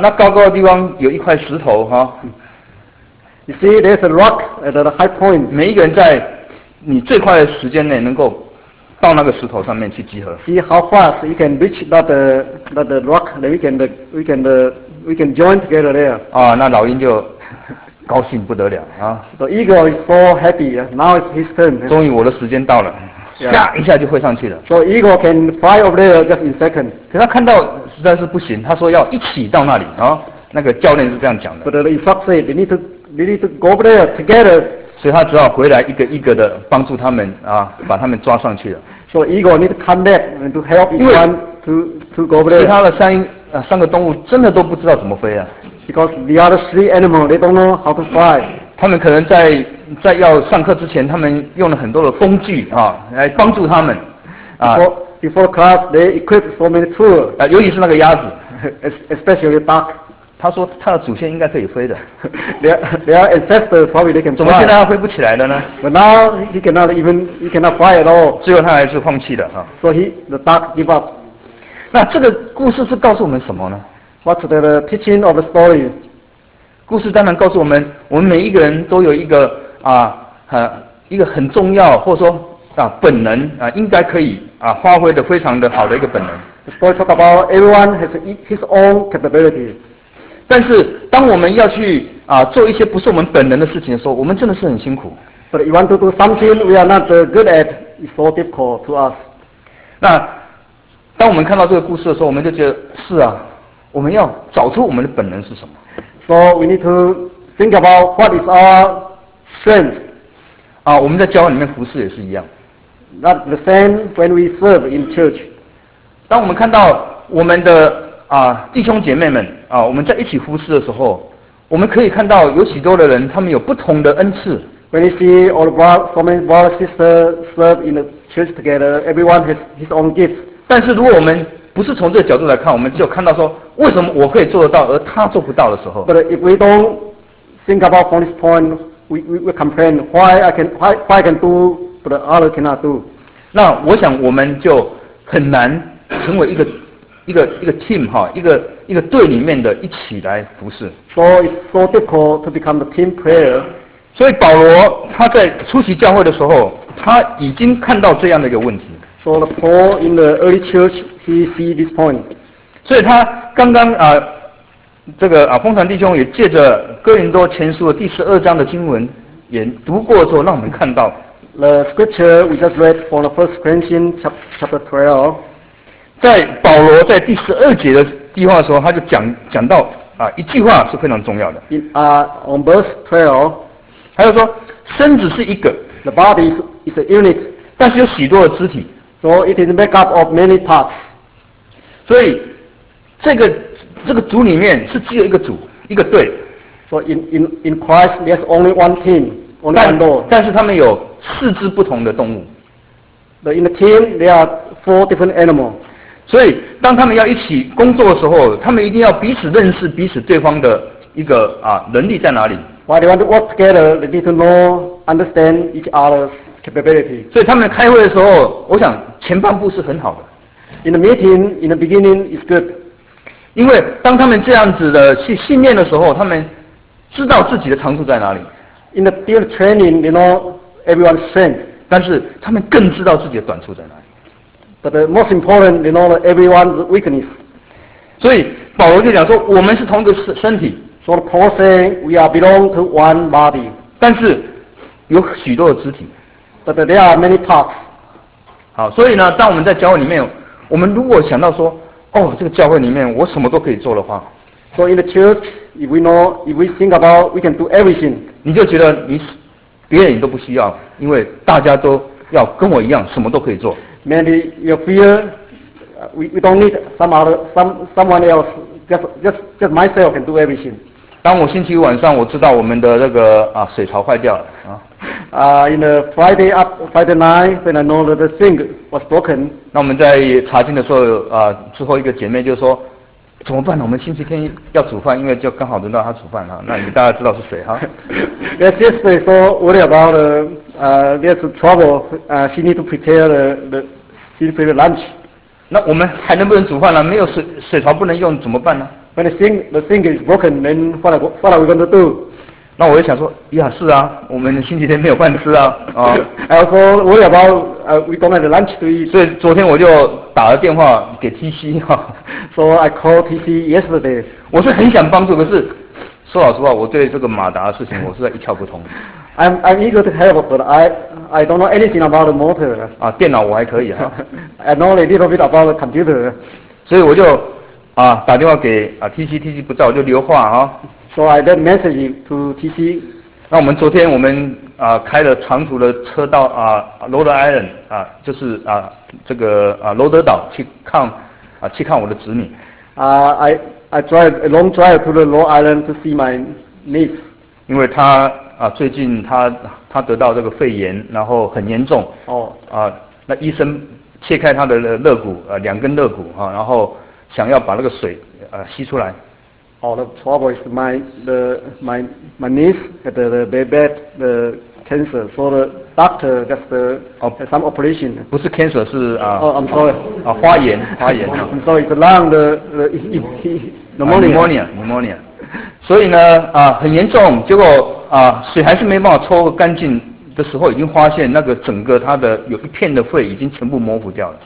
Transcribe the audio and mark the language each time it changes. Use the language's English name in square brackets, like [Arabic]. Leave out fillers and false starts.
[Chinese] 那高高的地方有一块石头哈。 [English] You see, there's a rock at the high point. [Chinese] 每一个人在。你最快的时间内能够到那个石头上面去集合。 [English] See how fast we can reach that rock, that we can join together there. [Chinese] 啊，那老鹰就高兴不得了啊。 [English] The eagle is so happy. Now it's his turn. [Chinese] 终于我的时间到了。 [English] Yeah. [Chinese] 下一下就会上去了。 [English] So eagle can fly over there just in second. [Chinese] 可他看到实在是不行，他说要一起到那里啊。那个教练是这样讲的。 [English] But the instructor said they need to go over there together. [Chinese] 所以他只好回来一个一个的帮助他们啊，把他们抓上去了。 [English] So eagle need to come back and to help each one to go over there. [Chinese] 其他的三个动物真的都不知道怎么飞啊。 [English] Because the other three animals they don't know how to fly. [Chinese] 他们可能在要上课之前，他们用了很多的工具啊，来帮助他们。啊、 [English] Before class, they equipped so many tools. [Chinese] 啊，尤其是那个鸭子 [English] ，especially duck. [Chinese] 他说他的祖先应该可以飞的。 [English] Their ancestors probably they can fly. [Chinese] 怎么现在他飞不起来了呢 [English] ？But now he cannot fly at all. [Chinese] 最后他还是放弃了啊。 [English] So the duck give up. [Chinese] 那这个故事是告诉我们什么呢 [English] ？What's the teaching of the story? [Chinese] 故事当然告诉我们，我们每一个人都有一个。啊，一个很重要，或者说啊，本能啊，应该可以啊，发挥的非常的好的一个本能。 [English] The story talk about everyone has his own capability. [Chinese] 但是，当我们要去啊做一些不是我们本能的事情的时候，我们真的是很辛苦。 [English] But if you want to do something we are not good at, it's so difficult to us. [Chinese] 那当我们看到这个故事的时候，我们就觉得是啊，我们要找出我们的本能是什么。 [English] So we need to think about what is our strength. [Chinese] 啊，我们在教会里面服事也是一样。 [English] Not the same when we serve in church. [Chinese] 当我们看到我们的啊弟兄姐妹们啊，我们在一起服事的时候，我们可以看到有许多的人，他们有不同的恩赐。 [English] When you see all the so many brothers and sisters serve in the church together, everyone has his own gifts. [Chinese] 但是如果我们不是从这个角度来看，我们只有看到说为什么我可以做得到，而他做不到的时候。 [English] But if we don't think about from this point. We complain why I can do but other cannot do. [Chinese] 那我想我们就很难成为一个 team 哈，一个队里面的一起来服事。 [English] So it's so difficult to become the team player. [Chinese] 所以保罗他在初期教会的时候，他已经看到这样的一个问题。 [English] So the Paul in the early church he see this point. [Chinese] 所以他刚刚啊。这个啊，丰传弟兄也借着哥林多前书的第十二章的经文也读过之后，让我们看到 [English] The scripture we just read from the First Corinthians chapter 12， [Chinese] 在保罗在第十二节的地方的时候，他就讲到啊一句话是非常重要的。 [English] On verse 12， [Chinese] 他就说身子是一个 [English] ，the body is a unit， [Chinese] 但是有许多的肢体 [English] ，so it is made up of many parts。 [Chinese] 所以这个组里面是只有一个组，一个队。 [English] So in Christ, there's only one team, only one Lord. [Chinese] 但是他们有四只不同的动物。 [English] But in the team, there are four different animals. [Chinese] 所以当他们要一起工作的时候，他们一定要彼此认识彼此对方的一个啊能力在哪里。 [English] While they want to work together, they need to know, understand each other's capability. [Chinese] 所以他们开会的时候，我想前半部是很好的。 [English] In the meeting, in the beginning, it's good. [Chinese] 因为当他们这样子的去训练的时候，他们知道自己的长处在哪里。 [English] In the field training, they know everyone's strength. [Chinese] 但是他们更知道自己的短处在哪里。 [English] But the most important, they know everyone's weakness. [Chinese] 所以保罗就讲说，我们是同一个身体。 [English] So Paul saying, we are belong to one body. [Chinese] 但是有许多的肢体。 [English] But there are many parts. [Chinese] 好，所以呢，当我们在教会里面，我们如果想到说。哦，这个教会里面我什么都可以做的话 [English] ，So in the church, if we know, if we think about, we can do everything. [Chinese] 你就觉得你别人你都不需要，因为大家都要跟我一样，什么都可以做。 [English] Maybe you fear, we don't need someone else, just myself can do everything. [Chinese] 当我星期五晚上我知道我们的那个啊水槽坏掉了啊。 [English] In the Friday night, when I know that the thing was broken. [Chinese] 那我们在查经的时候啊，最后一个姐妹就说，怎么办呢？我们星期天要煮饭，因为就刚好轮到她煮饭哈。那你大家知道是谁哈 [English] ？The sister so worried about there's trouble. She need to prepare the lunch. [Chinese] 那我们还能不能煮饭了？没有水槽不能用，怎么办呢？ [English] When the thing is broken, then what are we going to do? [Chinese] 那我就想说，呀，是啊，我们星期天没有饭吃啊，啊。 [English] I also worry about we don't have lunch to eat. [Chinese] 所以昨天我就打了电话给 TC 哈。 [English] So I called TC yesterday. [Chinese] 我是很想帮助，可是说老实话，我对这个马达的事情我是一窍不通。 [English] I'm eager to help, but I don't know anything about the motor. [Chinese] 啊，电脑我还可以啊。 [English] I know a little bit about the computer. [Chinese] 所以我就啊打电话给啊 TC， TC 不在，我就留话哈。 [English] So I then message to TC. [Chinese] 那我们昨天我们啊开了长途的车到啊罗德 Island 啊，就是啊这个啊罗德岛去看啊去看我的侄女。 [English] I drive a long drive to the Rhode Island to see my niece. [Chinese] 因为她啊最近她得到这个肺炎，然后很严重。哦。啊，那医生切开她的肋骨啊两根肋骨啊，然后想要把那个水啊吸出来。 [English] Oh, the trouble is my niece had the very bad the cancer. So the doctor just had some operation. [Chinese] 不是 cancer， 是啊。 [English] Oh, I'm sorry. [Chinese] 啊，花炎，花炎。 [English] I'm sorry. It's lung the pneumonia. [Chinese] 所以呢，啊，很严重。结果啊，水还是没办法抽干净的时候，已经发现那个整个他的有一片的肺已经全部模糊掉了。